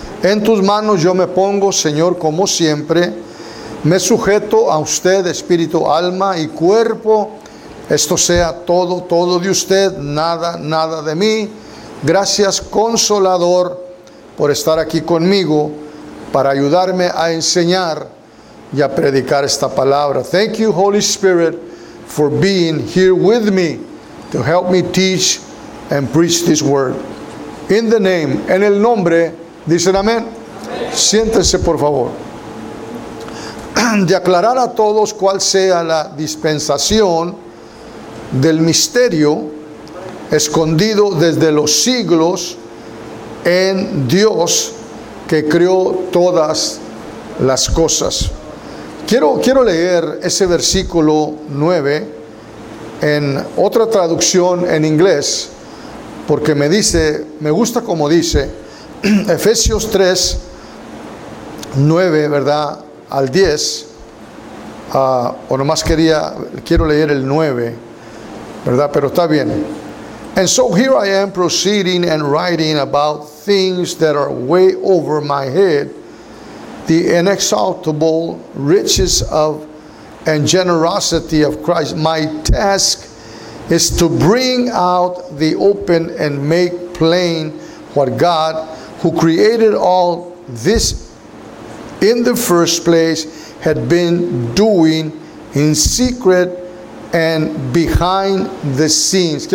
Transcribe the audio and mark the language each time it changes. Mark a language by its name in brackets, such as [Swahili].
[Spanish] En tus manos yo me pongo, Señor, como siempre. Me sujeto a usted, espíritu, alma y cuerpo. Esto sea todo, todo de usted, nada, nada de mí. Gracias, Consolador, por estar aquí conmigo para ayudarme a enseñar y a predicar esta palabra. [English] Thank you, Holy Spirit, for being here with me to help me teach and preach this word. In the name, [Spanish] en el nombre, dicen amén. Siéntense, por favor. De aclarar a todos cuál sea la dispensación del misterio escondido desde los siglos en Dios que creó todas las cosas. Quiero leer ese versículo 9 en otra traducción en inglés, porque me dice, me gusta como dice Efesios 3, 9, ¿verdad? Al 10, o nomás quería, quiero leer el 9, ¿verdad? Pero está bien. [English] And so here I am proceeding and writing about things that are way over my head, the inexhaustible riches of and generosity of Christ. My task is to bring out the open and make plain what God, who created all this in the first place, had been doing in secret and behind the scenes.